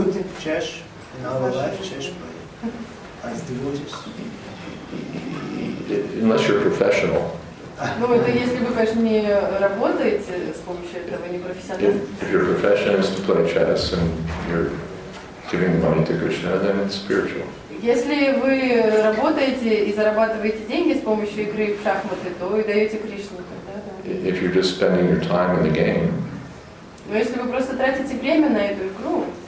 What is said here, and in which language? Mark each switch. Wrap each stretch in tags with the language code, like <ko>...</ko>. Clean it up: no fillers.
<en>Exclude chess in our life, chess play as devotees. Unless you're professional.</en> <ru>Ну, это если вы, конечно, не работаете с помощью этого, не профессионал.</ru> <en>If your profession is to play chess and you're giving money to Krishna, then it's spiritual.</en> <ru>Если вы работаете и зарабатываете деньги с помощью игры в шахматы, то вы даете Кришне.</ru> <en>If you're just spending your time in the game.</en> <ru>Но если вы просто тратите время на эту игру.</ru>